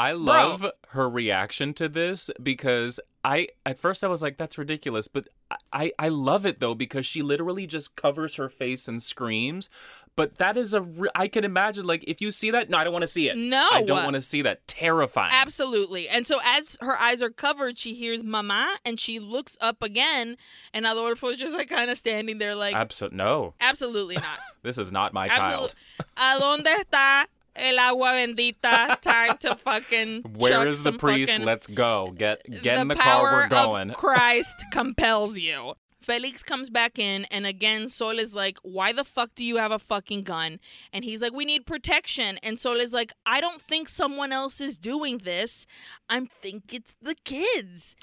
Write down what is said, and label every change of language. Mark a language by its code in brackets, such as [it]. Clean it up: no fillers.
[en] I love her reaction to this, because at first I was like, that's ridiculous, but I love it though, because she literally just covers her face and screams. But that is I can imagine, like, if you see that, no, I don't want to see it. No. I don't want to see that. Terrifying. Absolutely. And so as her eyes are covered, she hears mama, and she looks up again, and Adolfo is just, like, kind of standing there, like, No. Absolutely not. This is not my child. [es] ¿Dónde está el agua bendita? [en] Time to fucking Where is the priest? Let's go. Get in the car. We're going. The power of Christ compels you. Felix comes back in, and again, Sol is like, why the fuck do you have a fucking gun? And he's like, we need protection. And Sol is like, I don't think someone else is doing this. I think it's the kids.